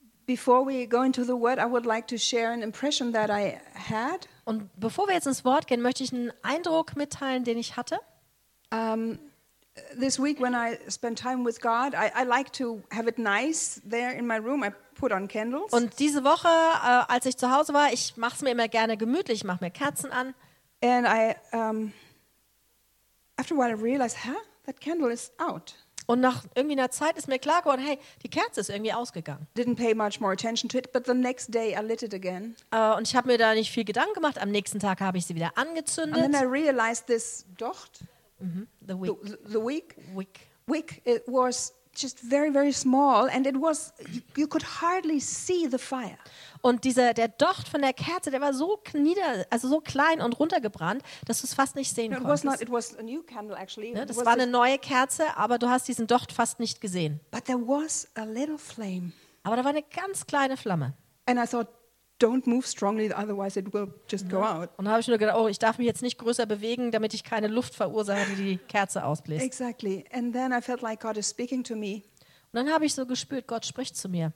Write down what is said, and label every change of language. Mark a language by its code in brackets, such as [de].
[en] Before we go into the word, I would like to share an impression that I had. [de] Und bevor wir jetzt ins Wort gehen, möchte ich einen Eindruck mitteilen, den ich hatte. [en] This week when I spend time with God, I like to have it nice there in my room. I put on candles. [de] Und diese Woche, als ich zu Hause war, ich mach's mir immer gerne gemütlich, mach mir Kerzen an. [en] And I after a while I realized, huh, that candle is out. [de] Und nach irgendwie einer Zeit ist mir klar geworden, hey, die Kerze ist irgendwie ausgegangen. [en] Didn't pay much more attention to it, but the next day I lit it again. [de] Und ich habe mir da nicht viel Gedanken gemacht. Am nächsten Tag habe ich sie wieder angezündet. [en] And then I realized this docht. Mm-hmm. The wick. Wick. It was just very, very small, and it was you could hardly see the fire. [de] Und dieser der Docht von der Kerze, der war so nieder, also so klein und runtergebrannt, dass du es fast nicht sehen konntest. Das war eine neue Kerze, aber du hast diesen Docht fast nicht gesehen. [en] But there was a little flame. [de] Aber da war eine ganz kleine Flamme. [en] And I thought, don't move strongly, otherwise it will just go out. [de] Und da habe ich nur gedacht, oh, ich darf mich jetzt nicht größer bewegen, damit ich keine Luft verursache, die die Kerze ausbläst. [en] Exactly. And then I felt like God is speaking to me. [de] Und dann habe ich so gespürt, Gott spricht zu mir.